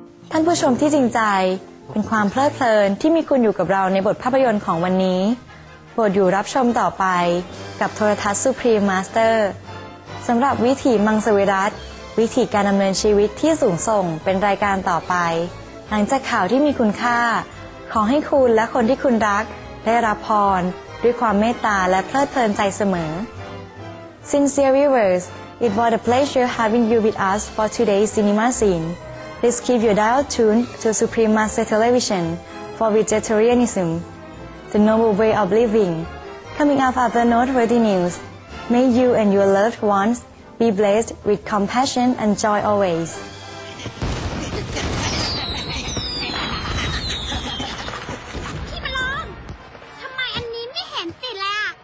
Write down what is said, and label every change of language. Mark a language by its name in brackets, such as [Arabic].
[Thai] ท่านผู้ชมที่จริงใจเป็นความเพลิดเพลินที่มีคุณอยู่กับเราในบทภาพยนตร์ของวันนี้โปรดอยู่รับชมต่อไปกับโทรทัศน์ Supreme Masterสำหรับวิถีมังสวิรัติวิถีการดำเนินชีวิตที่สูงส่งเป็นรายการต่อไปหลังจากข่าวที่มีคุณค่าขอให้คุณและคนที่คุณรักได้รับพรด้วยความเมตตาและเพลิดเพลินใจเสมอ [English] Sincere viewers, it was a pleasure having you with us for today's cinema scene. Please keep your dial tuned to Supreme Master Television for Vegetarianism, the noble way of living. Coming up after noteworthy newsMay you and your loved ones be blessed with compassion and joy always. [Thai] พี่ประลองทำไมอันนี้ไม่เห็นติดล่ะ